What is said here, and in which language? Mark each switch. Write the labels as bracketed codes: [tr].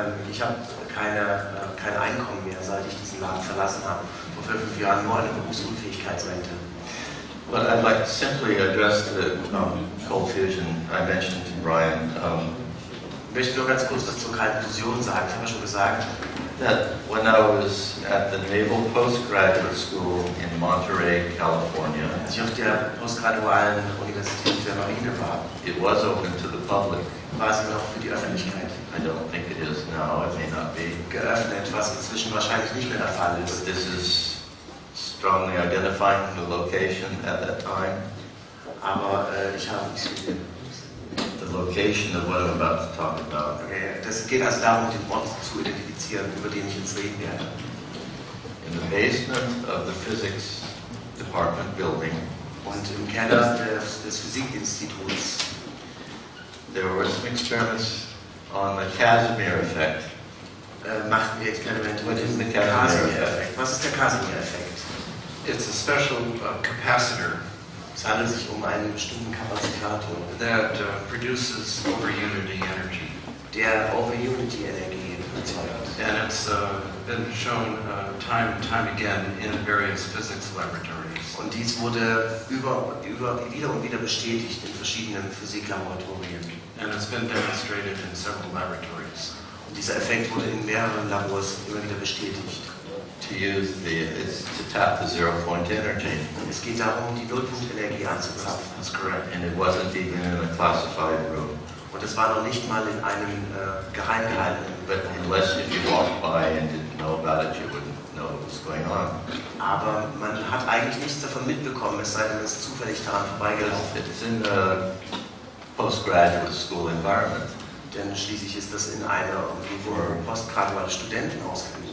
[de] Ich habe kein Einkommen mehr, seit ich diesen Laden verlassen habe. Vor 5 Jahren nur eine Berufsunfähigkeitsrente. [en] But I'd like to simply address the cold fusion I mentioned to Brian. [de] Ich möchte nur ganz kurz was zur kalten Fusion sagen. Ich habe schon gesagt, [en] that when I was at the Naval Postgraduate School in Monterey, California, [de] als ich auf der postgradualen Universität der Marine war, [en] it was open to the public. [de] War es noch für die Öffentlichkeit? [en] I don't think it is now. It may not be. [de] Geöffnet, was inzwischen wahrscheinlich nicht mehr der Fall ist. [en] But this is strongly identifying the location at that time. [de] Aber ich habe nicht gesehen. [en] The location of what I'm about to talk about. [de] Okay, das geht also darum, den Ort zu identifizieren, über den ich jetzt reden werde. [en] In the basement of the physics department building. [de] Und im Keller des Physikinstituts. [en] There were some experiments on the Casimir effect. [de] Machten wir Experimente mit dem Casimir-Effekt. Was ist der Casimir-Effekt? [en] It's a special capacitor. [de] Es handelt sich um einen bestimmten Kapazitator, [en] that produces over-unity energy. [de] Der over-unity Energie erzeugt. [en] And it's been shown time and time again in various physics laboratories. [de] Und dies wurde wieder und wieder bestätigt in verschiedenen Physiklaboratorien. [en] And it's been demonstrated in several laboratories. [de] Und dieser Effekt wurde in mehreren Labors immer wieder bestätigt. [en] To tap the zero point energy. [de] Es geht darum, die Nullpunktenergie anzuzapfen. [en] That's correct. And it wasn't even in a classified room. [de] Und es war noch nicht mal in einem geheim gehaltenen. [en] But unless if you walked by and didn't know about it, you wouldn't know what was going on. [de] Aber man hat eigentlich nichts davon mitbekommen, es sei denn, es zufällig daran vorbeigelaufen. [en] It's in a postgraduate school environment. [de] Denn schließlich ist das in einer Umgebung postgraduale Studenten ausgebildet.